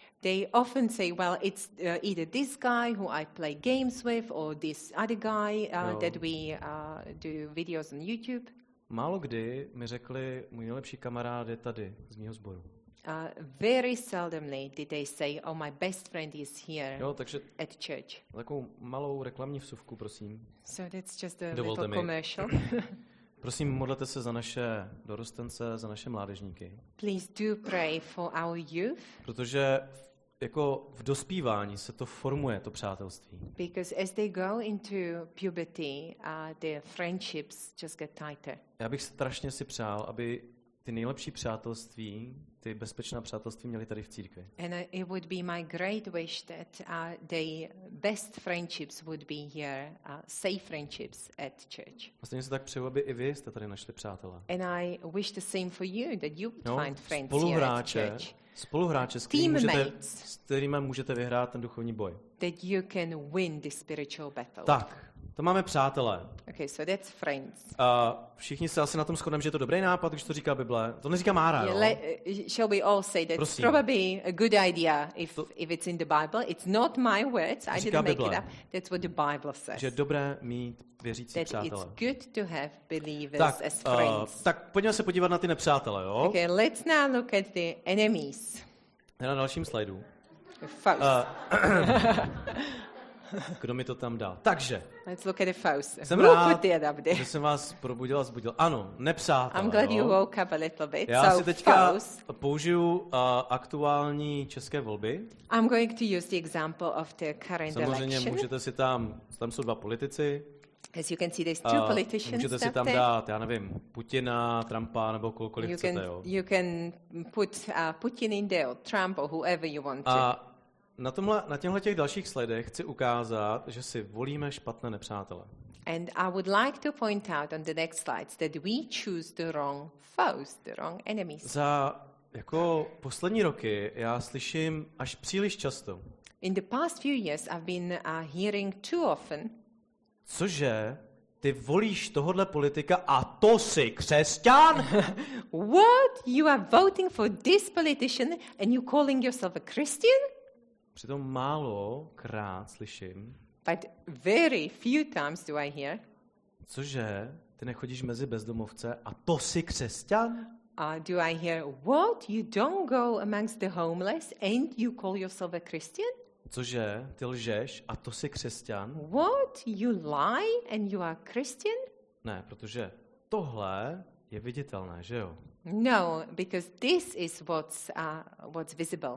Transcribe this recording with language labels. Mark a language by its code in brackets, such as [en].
[en] They often say, well, it's either this guy who I play games with, or this other guy that we do videos on YouTube. [cs] Málo kdy mi řekli, můj nejlepší kamarád je tady, z mýho sboru. [en] Very seldomly did they say, oh, my best friend is here [cs] jo, takže [en] at church. [cs] Takovou malou reklamní vsuvku, prosím. [en] So that's just a little commercial. [cs] Prosím, modlete se za naše dorostence, za naše mládežníky. [en] Please do pray for our youth. [cs] Protože jako v dospívání se to formuje, to přátelství. [en] Because as they go into puberty, their friendships just get tighter. [cs] Já bych strašně si přál, aby ty nejlepší přátelství, ty bezpečná přátelství měly tady v církvi. [en] And it would be my great wish that their best friendships would be here, safe friendships at church. [cs] Vlastně se tak přeju, aby i vy jste tady našli přátelé. [en] And I wish the same for you, that you would find friends here at church. [cs] Spoluhráče, s kterými můžete vyhrát ten duchovní boj. [en] That you can win the spiritual battle. [cs] Tak, to máme přátelé. [en] Okay, so that's friends. [cs] Všichni se asi na tom shodneme, že je to dobrý nápad, když to říká Bible. To neříká Mára, jo? [en] Shall we all say that it's probably a good idea if it's in the Bible. It's not my words, I didn't make it up. That's what the Bible says. [cs] Že je dobré mít věřící přátelé. [en] It's good to have believers tak, as friends. [cs] Tak pojďme se podívat na ty nepřátelé, jo? [en] Okay, let's now look at the enemies. [cs] Na dalším slajdu. Kdo mi to tam dal? Takže. [en] Let's look at the foes. [cs] Jsem rád, že jsem vás probudil a zbudil. Ano, nepřátelé. [en] I'm glad you woke up a little bit. [cs] Já [en] so [cs] si teďka [en] foes. [cs] Použiju aktuální české volby. [en] I'm going to use the example of the current [cs] Samozřejmě [en] election. [cs] Samozřejmě můžete si tam jsou dva politici. [en] As you can see, there's two politicians. [cs] Můžete si tam dát, já nevím, Putina, Trumpa nebo kohokoliv [en] you [cs] chcete. [en] You can put Putin in there, or Trump or whoever you want to. [cs] Na těchto těch dalších slidech chci ukázat, že si volíme špatné nepřátele. [en] And I would like to point out on the next slides that we choose the wrong foes, the wrong enemies. [cs] Za jako poslední roky já slyším až příliš často. [en] In the past few years I've been hearing too often. [cs] Cože? Ty volíš tohodle politika a to jsi křesťan? [en] What? You are voting for this politician and you calling yourself a Christian? [cs] Přitom málo krát slyším. [en] But very few times do I hear. [cs] Cože? Ty nechodíš mezi bezdomovce a to jsi křesťan? [en] Do I hear what? You don't go amongst the homeless and you call yourself a Christian? [cs] Cože? Ty lžeš a to jsi křesťan? [en] What? You lie and you are Christian? [cs] Ne, protože tohle je viditelné, že jo? [en] No, because this is what's visible.